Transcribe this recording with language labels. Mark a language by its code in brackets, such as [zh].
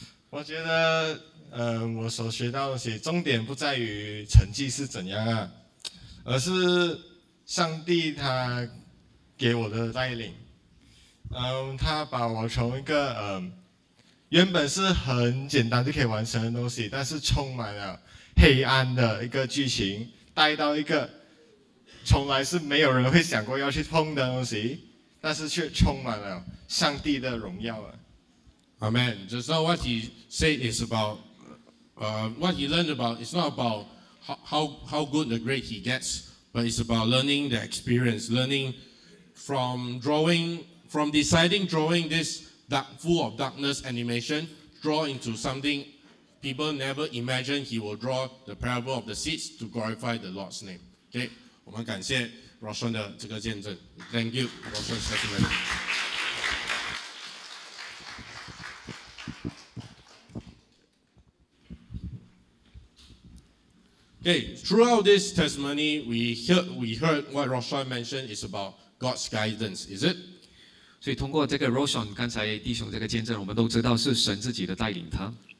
[zh] 我觉得，我所学到的东西重点不在于成绩是怎样啊，而是上帝他给我的带领，他把我从一个原本是很简单就可以完成的东西，但是充满了 黑暗的一个剧情，带到一个从来是没有人会想过要去碰的东西，但是却充满了上帝的荣耀了。Amen. [en] Just now what he said is about, what he learned about. It's not about how good the grade he gets, but it's about learning the experience, learning from drawing, from deciding drawing this dark, full of darkness animation, draw into something people never imagine he will draw the parable of the seeds to glorify the Lord's name. [zh] Okay, 我们感谢 Roshan 的这个见证. [en] Thank you, Roshan's testimony. Okay, throughout this testimony, we heard what Roshan mentioned is about God's guidance. Is it? [zh] 所以通过这个 Roshan 刚才弟兄这个见证，我们都知道是神自己的带领他。